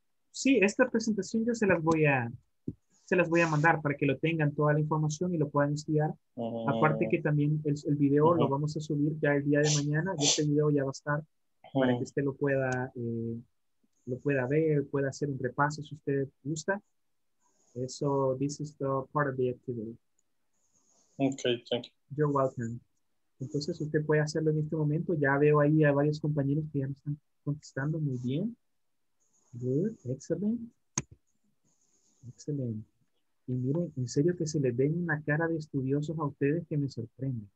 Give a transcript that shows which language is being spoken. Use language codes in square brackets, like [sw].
[es] Sí, esta presentación yo se las voy a mandar para que lo tengan toda la información y lo puedan estudiar. Aparte que también el video lo vamos a subir ya el día de mañana. Este video ya va a estar para que usted lo pueda ver, pueda hacer un repaso si usted gusta. [en] Eso, this is the part of the activity. Okay, thank you. You're welcome. [es] Entonces usted puede hacerlo en este momento. Ya veo ahí a varios compañeros que ya me están contestando muy bien. [en] Good, excellent. Excellent. [es] Y miren, en serio que se les ven una cara de estudiosos a ustedes que me sorprende.